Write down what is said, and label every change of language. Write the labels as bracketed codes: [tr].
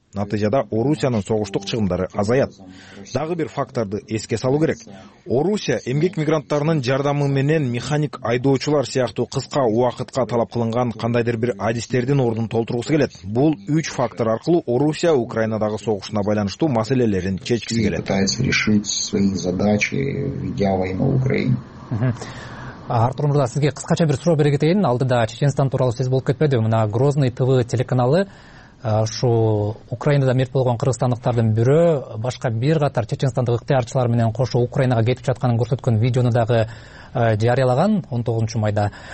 [ky] Натыйжада Орусиянын согуштук чыгымдары азаят. Дагы бир факторду эске салуу керек. Орусия эмгек мигранттарынын жардамы менен механик айдоочулар сыяктуу кыска убакытка талап кылынган кандайдыр бир адистердин ордун толтургусу келет. Бул үч фактор аркылуу Орусия Украинадагы согушуна байланыштуу маселелерин чечкиси келет. [ru] Пытается решить свои задачи, ведя войну в Украине. [ky] Артур мырза, сизге кыскача бир суроо бере кетейин. Алдыда Чечен тууралуу сөз болуп кетпеди. Мына Грозный ТВ телеканалы ушу Украинада мерт болгон кыргызстандыктардын бирөө башка бир катар чечендик ыктыярчылар менен кошо Украинага кетип жатканын көрсөткөн видеону дагы жарыялаган 19 майда.